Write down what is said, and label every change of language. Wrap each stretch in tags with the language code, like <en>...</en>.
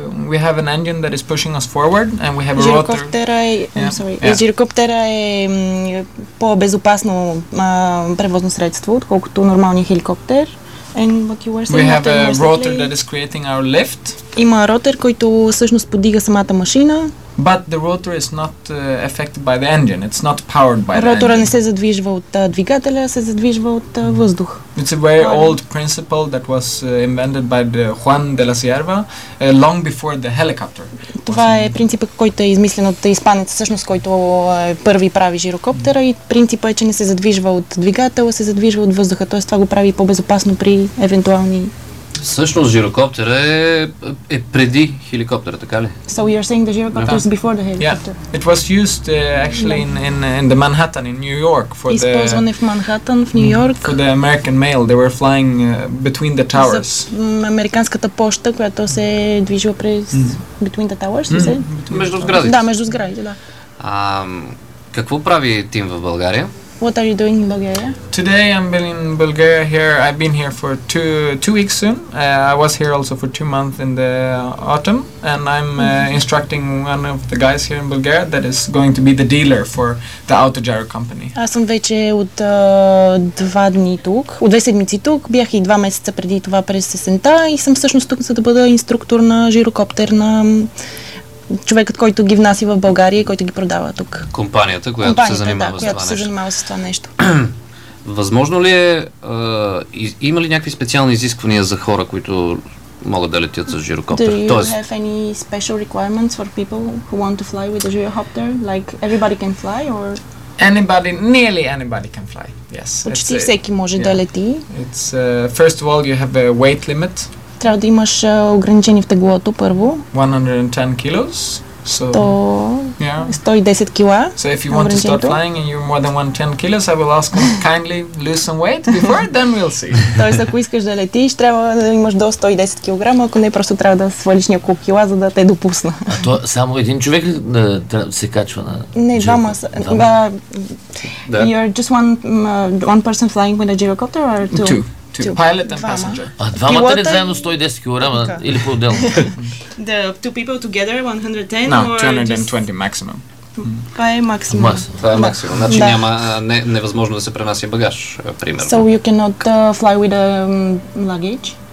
<en>We have an engine that is pushing us forward, and we have a rotor.</en> <bg>Жирокоптера е... по-безопасно превозно средство, отколкото нормалния хеликоптер.</bg> <en>And what you were saying, we have a rotor that is creating our lift.</en> <bg>Има ротор, който всъщност подига самата машина.</bg> <en>But the rotor is not affected by the engine. It's not powered by the engine.</en> <bg>Ротора не се задвижва от двигателя, се задвижва от въздух.</bg> <en>It's a very old principle that was invented by the Juan de la Sierra long before the helicopter.</en> <bg>Това е принципът, който е измислен от испанеца, всъщност, който първи прави жирокоптера, и принципът е, че не се задвижва от двигателя, се задвижва от въздуха, т.е. това го прави по-безопасно при евентуални... Всъщност жирокоптера е преди хеликоптера, така ли?</bg> <en>So you're saying the gyrocopter is before the helicopter? Yeah, it was used actually in the Manhattan, in New York.</en> <bg>Използване в Манхаттан, в Нью Йорк.</bg> <en>For the American mail, they were flying between the towers.</en> <bg>За американската поща, която се движила през...</bg> <en>Between the towers, you say?</en> <bg>Между сградите. Да, между сградите, да. Какво прави Тим в България?</bg> <en>What are you doing in Bulgaria? Today I'm in Bulgaria here. I've been here for two weeks soon. I was here also for 2 months in the autumn. And I'm instructing one of the guys here in Bulgaria that is going to be the dealer for the Autogyro company.</en> <bg>Аз съм вече от два дни тук. От две седмици тук. Бях и 2 месеца преди това през есента. И съм всъщност тук, за да бъда инструктор на жирокоптер на... човекът, който ги внася в България и който ги продава тук. Компанията, която компанията, се занимава, да, с която това се занимава с това нещо. Възможно ли е, има ли някакви специални изисквания за хора, които могат да летят с жирокоптер?</bg> <en>Do you have any special requirements for people who want to fly with a gyrocopter? Like, everybody can fly or... Anybody, nearly anybody can fly, yes.</en> <bg>Почти всеки може да лети.</bg> <en>It's, first of all, you have a weight limit.</en> <bg>Трябва да имаш ограничени в теглото първо.</bg> <en>110 kilos. So,</en> <bg>110 кила.</bg> <en>So if you want to start flying and you're more than 110 kilos, I will ask you kindly lose some weight before, then we'll see.</en> <bg>Тоест, ако искаш да летиш, трябва да имаш до 110 кг, ако не, просто трябва да свалиш няколко кила, за да те допусна. А то само един човек ли се качва на... Не, двама са.</bg> <en>You're just one person flying with a gyrocopter or two? Two. two. Pilot and passenger.</en> <bg>А двамата ли заедно 110 кг или по-отделно?</bg> <en>The two people together 110 no, or 220 just... maximum.</en> <bg>Това е максимум. Това е максимум. Значи да. Няма невъзможно да се пренася багаж, примерно.</bg> <en>So you cannot fly with a luggage?</en>